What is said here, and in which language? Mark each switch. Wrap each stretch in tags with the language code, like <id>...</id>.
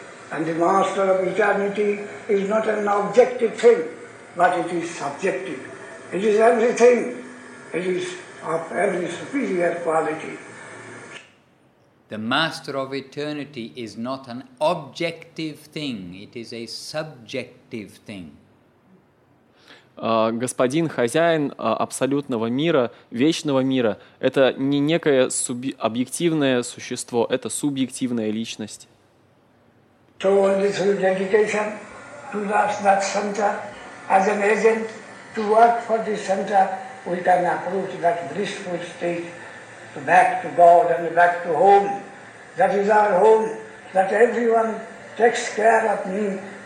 <en>And the master of eternity is not an objective thing, but it is subjective. It is everything. It is of every superior quality. The master of eternity is not an objective thing, it is a subjective thing.</en> <ru>Господин хозяин абсолютного мира, вечного мира, это не некое объективное существо, это субъективная личность.</ru> <en>So only through dedication to that center, as an agent to work for the center, we can approach that blissful state, back to God and back to home. That is our home, that everyone takes care of me.</en>